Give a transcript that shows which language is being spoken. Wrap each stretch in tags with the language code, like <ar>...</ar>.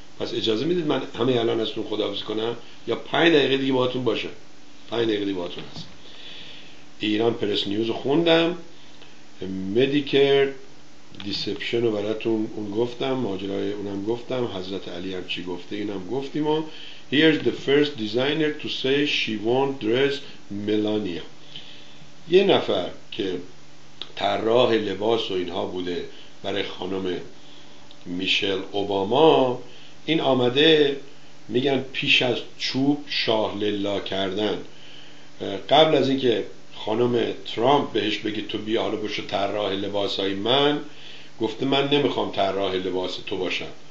<fa>پس اجازه میدید من همه الان ازتون خداحافظی کنم یا 5 دقیقه دیگه باهاتون باشم؟ 5 دقیقه دیگه باهاتون هست. ایران پرس نیوز خوندم، مدیکر دیسپشن رو براتون اون گفتم، ماجرای اونم گفتم، حضرت علی هم چی گفته اینم گفتیم.</fa> <en>Here's the first designer to say she won't dress Melania.</en> <fa>یه نفر که طراح لباس و اینها بوده برای خانم میشل اوباما، این آمده میگن پیش از چوب شاه للا کردن، قبل از اینکه خانم ترامپ بهش بگه تو بیا حالا بشو طراح لباسای من، گفته من نمیخوام طراح لباس تو باشم.</fa>